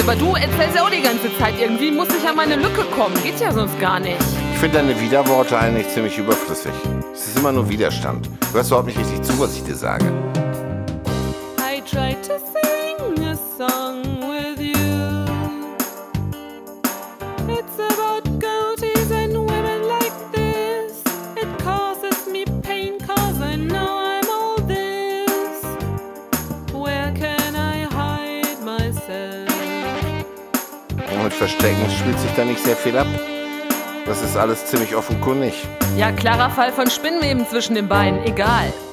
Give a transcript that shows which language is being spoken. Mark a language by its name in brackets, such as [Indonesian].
[German] Aber du erzählst ja auch die ganze Zeit. Irgendwie muss ich an meine Lücke kommen. Geht ja sonst gar nicht. Ich finde deine Widerworte eigentlich ziemlich überflüssig. Es ist immer nur Widerstand. Du hörst überhaupt nicht richtig zu, was ich dir sage. [English] Try to sing a song with you. It's about goatees and women like this. It causes me pain, cause I know I'm all this. Where can I hide myself? [German] Mit Verstecken spielt sich da nicht sehr viel ab. Das ist alles ziemlich offenkundig. Ja, klarer Fall von Spinnweben zwischen den Beinen, egal.